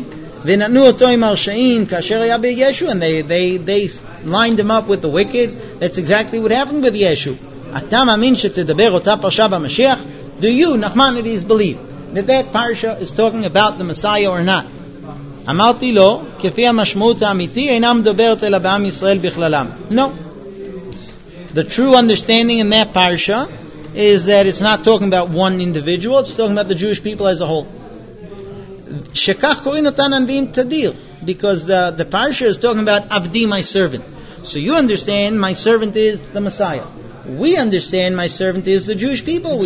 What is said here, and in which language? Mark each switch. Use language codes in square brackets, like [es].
[he] V'natnu oto im arsha'im kasher haya b'Yeshu, [en] and they lined him up with the wicked. That's exactly what happened with Yeshu. [he] Ata ma'amin shetedaber otah parsha b'Mashiach. [en] Do you, Nachmanides, believe that that parsha is talking about the Messiah or not? [he] אמרתי לו, כפי המשמעות האמיתי, אינה מדברת אלא בעם ישראל בכללם. [en] No. The true understanding in that parsha is that it's not talking about one individual, it's talking about the Jewish people as a whole. [he] שכך קוראים אותן הנביאים תדיר, [en] because the parsha is talking about [he] עבדי, [en] my servant. So you understand my servant is the Messiah. We understand my servant is the Jewish people.